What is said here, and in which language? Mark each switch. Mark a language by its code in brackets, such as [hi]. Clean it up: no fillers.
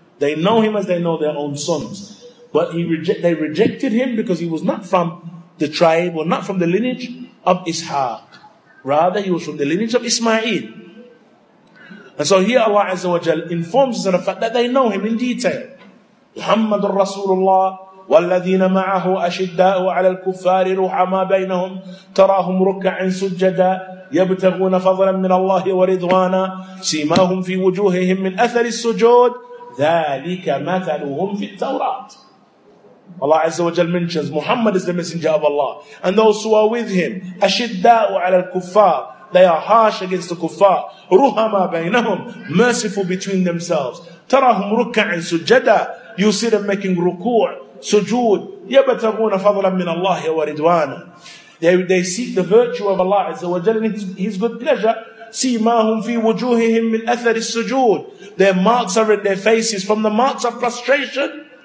[en] They know him as they know their own sons. But they rejected him because he was not from the tribe, or not from the lineage of Ishaq. Rather, he was from the lineage of Ismail. And so here Allah Azza wa Jal informs us of the fact that they know him in detail. [ar] Muhammadur Rasulullah, والذين معه أشداء على الكفار رحما بينهم تراهم ركعا سجدا يبتغون فضلا من الله ورضوانا سيماهم في وجوههم من أثر السجود ذلك مثلهم في التوراة. [en] Allah Azza wa Jal mentions Muhammad is the messenger of Allah, and those who are with him, [ar] ashidda'u ala al-kuffar, [en] they are harsh against the kuffar, [ar] ruhama baynahum, [en] merciful between themselves, [ar] tarahum ruk'an sujada, [en] you see them making ruku', sujood, [ar] yabtaghuna fadlan min Allah wa ridwana, [en] they seek the virtue of Allah Azza wa Jal and his good pleasure, [ar] seemahum fi wujuhihim min athar as-sujood, [en] their marks are in their faces from the marks of prostration.